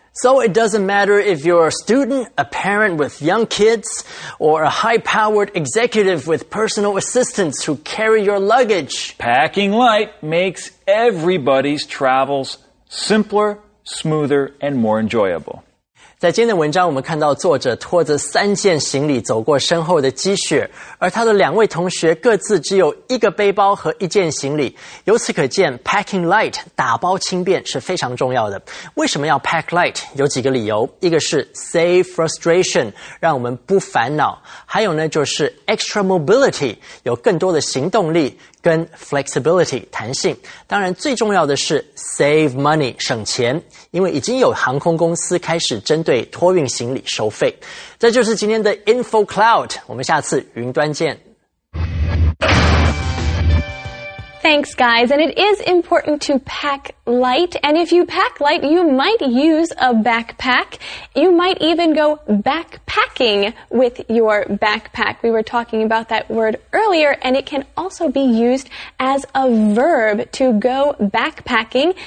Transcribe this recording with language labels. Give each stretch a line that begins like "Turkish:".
English: So it doesn't matter if you're a student, a parent with young kids, or a high-powered executive with personal assistants who carry your luggage. Packing light makes everybody's travels simpler, smoother, and more enjoyable.
Chinese: 在今天的文章我们看到作者拖着三件行李走过深厚的积雪，而他的两位同学各自只有一个背包和一件行李。由此可见
English: packing light,
Chinese: 打包轻便是非常重要的。为什么要
English: pack light?
Chinese: 有几个理由。一个是
English: save frustration,
Chinese: 让我们不烦恼。还有呢就是
English: extra mobility,
Chinese: 有更多的行动力。跟 flexibility, 弹性。当然最重要的是
English: save money,
Chinese: 省钱。因为已经有航空公司开始针对托运行李收费。这就是今天的 Info Cloud, 我们下次云端见。
English: Thanks, guys. And it is important to pack light. And if you pack light, you might use a backpack. You might even go backpacking with your backpack. We were talking about that word earlier, and it can also be used as a verb to go backpacking.